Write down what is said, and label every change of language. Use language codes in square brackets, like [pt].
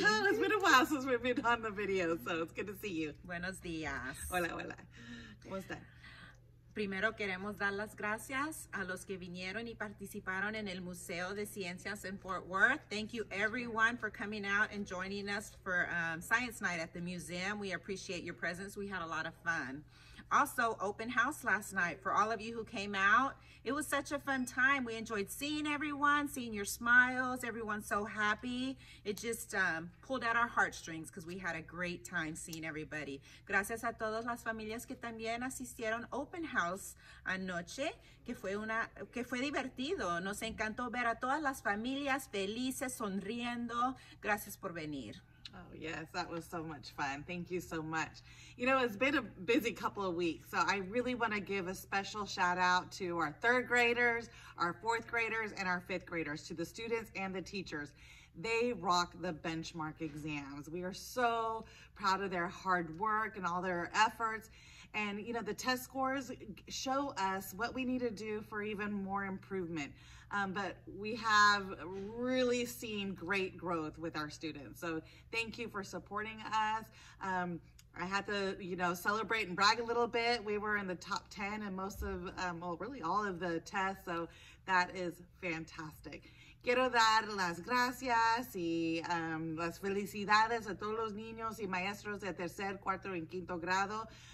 [en] know, it's been a while since we've been on the video, so it's good to see you. [es] Buenos días. Hola, hola. ¿Cómo están? Primero queremos dar las gracias a los que vinieron y participaron en el Museo de Ciencias en Fort Worth. [en] Thank you everyone for coming out and joining us for Science Night at the museum. We appreciate your presence. We had a lot of fun. Also, open house last night for all of you who came out. It was such a fun time. We enjoyed seeing everyone, seeing your smiles. Everyone's so happy. It just pulled at our heartstrings because we had a great time seeing everybody. [es] Gracias a todas las familias que también asistieron open house anoche, que fue divertido. Nos encantó ver a todas las familias felices, sonriendo. Gracias por venir. [en] Oh, yes, that was so much fun. Thank you so much. You know, it's been a busy couple of weeks, so I really want to give a special shout out to our third graders, our fourth graders, and our fifth graders, to the students and the teachers. They rock the benchmark exams. We are so proud of their hard work and all their efforts. And, you know, the test scores show us what we need to do for even more improvement. But we have really seen great growth with our students. So thank you for supporting us. I had to, celebrate and brag a little bit. We were in the top 10 in most of, well, really all of the tests. So that is fantastic. [es] Quiero dar las gracias y las felicidades a todos los niños y maestros de tercer, cuarto y quinto grado.